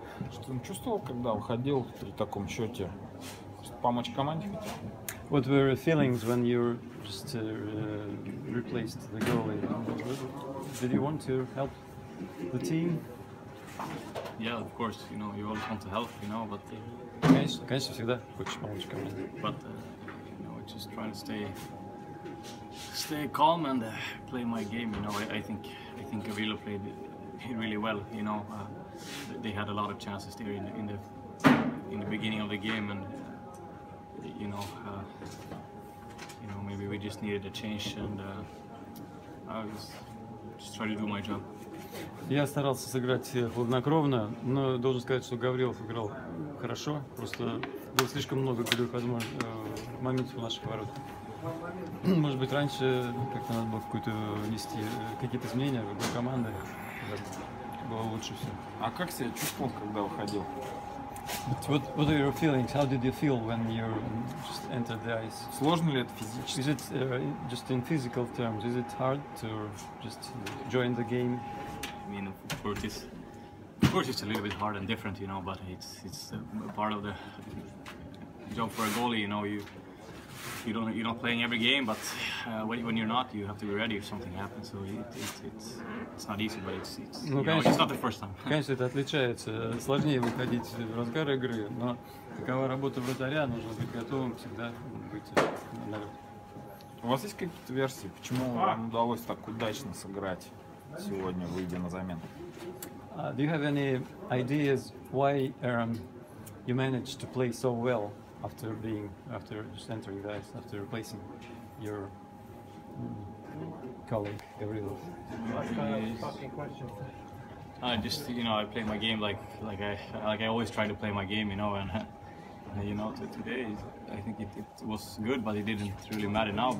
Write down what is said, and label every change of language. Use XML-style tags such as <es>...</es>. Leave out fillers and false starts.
<ru>что он чувствовал, когда выходил при таком счете? Помочь команде?</ru> <en>What were your feelings when you just replaced the goalie? Did you want to help the team? Yeah, of course. You know, you always want to help. You know, but</en> <ru>конечно, всегда хочешь помочь команде.</ru> <en>But you know, just trying to stay calm and play my game. You know, I think Avila played really well. You know, they had a lot of chances there in the beginning of the game, and you know, maybe we just needed a change, and I was just trying to do my job.</en> <ru>Я старался сыграть хладнокровно, но должен сказать, что Гаврилов играл хорошо. Просто было слишком много голевых моментов в наших воротах. Может быть, раньше как-то надо было внести какие-то изменения в игру команды. Было лучше все. А как себя чувствовал, когда выходил?</ru> <en>What are your feelings? How did you feel when you just entered the ice?</en> <ru>Сложно ли это физически?</ru> <en>Is it just in physical terms? Is it hard to just join the game? I mean, of course, it's a little bit hard and different, you know. But it's a part of the job for a goalie. You know, you're not playing every game, but when you're not, you have to be ready if something happens. So it's not easy, but it's not the first time.</en> <ru>Конечно, это отличается. Сложнее выходить в разгар игры, но такова работа вратаря. Нужно быть готовым всегда быть на лёд. У вас есть какие-то версии, почему вам удалось так удачно сыграть сегодня, выйдя на замену?</ru> <en>Do you have any ideas why you managed to play so well after just entering the ice, after replacing your colleague Gabriel? I just, you know, I play my game like I always try to play my game, you know, and you know, today I think it was good, but it didn't really matter now.</en>